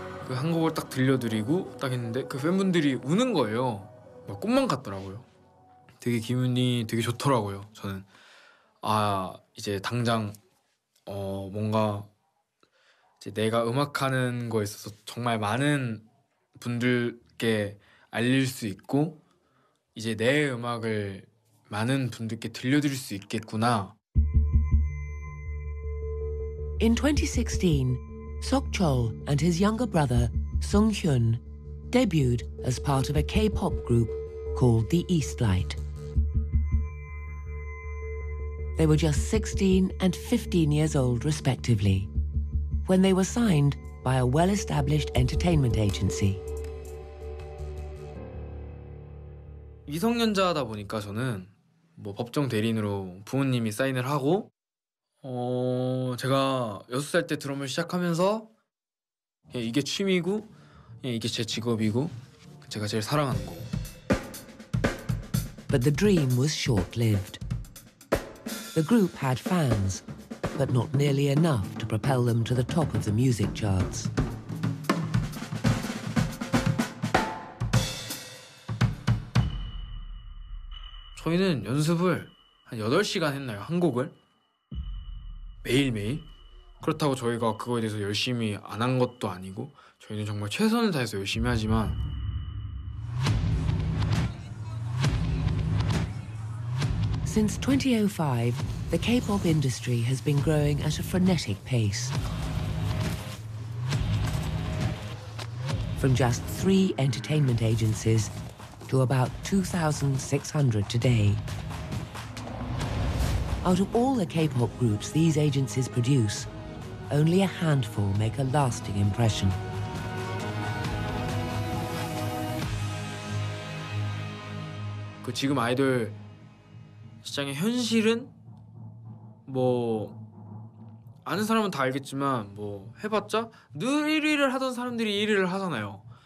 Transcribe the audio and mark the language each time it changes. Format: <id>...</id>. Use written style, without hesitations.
<en>I heard a song and I was like, and the fans were crying. It was like a dream. The feeling was really good. I was like, oh, now I'm going to do something.</en> <ko>내가 음악하는 거에 있어서 정말 많은 분들께 알릴 수 있고 이제 내 음악을 많은 분들께 들려드릴 수 있겠구나.</ko> <en>In 2016, Seok-chol and his younger brother, Sung-hyun, debuted as part of a K-pop group called The Eastlight. They were just 16 and 15 years old respectively. When they were signed by a well-established entertainment agency.</en> <ko>미성년자다 보니까 저는 뭐 법정 대리인으로 부모님이 사인을 하고 제가 6살 때 드럼을 시작하면서 이게 취미고 이게 제 직업이고 제가 제일 사랑하는 거.</ko> <en>But the dream was short-lived. The group had fans. But not nearly enough to propel them to the top of the music charts.</en> <ko>저희는 연습을 한 8시간 했나요? 한 곡을? 매일매일? 그렇다고 저희가 그거에 대해서 열심히 안 한 것도 아니고 저희는 정말 최선을 다해서 열심히 하지만</ko> <en>Since 2005, the K-pop industry has been growing at a frenetic pace. From just 3 entertainment agencies to about 2,600 today. Out of all the K-pop groups these agencies produce, only a handful make a lasting impression.</en> <ko>Good, 지금 아이돌 시장의 현실은 뭐 아는 사람은 다 알겠지만 뭐 해봤자 늘 1위를 하던 사람들이 1위를 하잖아요.</ko>